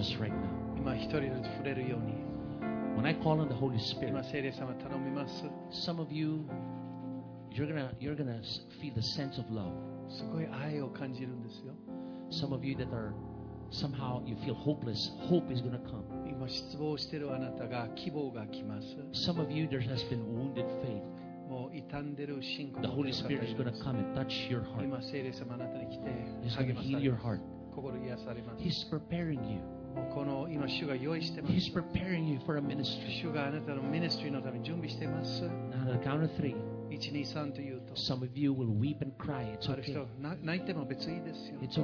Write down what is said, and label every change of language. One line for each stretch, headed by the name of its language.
English: When I call on the Holy Spirit, some of you, you're gonna feel the sense of love.
Japanese: すごい愛を感じるんですよ。
English: Some of you that are somehow you feel hopeless, hope is gonna come.
Japanese: 今失望しているあなたが希望が来ます。
English: Some of you there has been wounded faith.
Japanese: もう傷んでる信仰。
English: The Holy Spirit is gonna come and touch your heart.
Japanese: 今聖霊様あなたに来て、
English: He's gonna heal your heart.
Japanese: 心癒されます。
English: He's preparing you.
Japanese: この今主が用意してます。
English: He's preparing you for a ministry.
Japanese: 主があなたのミニストリーのために準備してます。
English: Now on count of three.
Japanese: 1, 2, 3 というと。
English: Some of you will weep and cry. It's okay.
Japanese: ある人は泣いても別にいいですよ。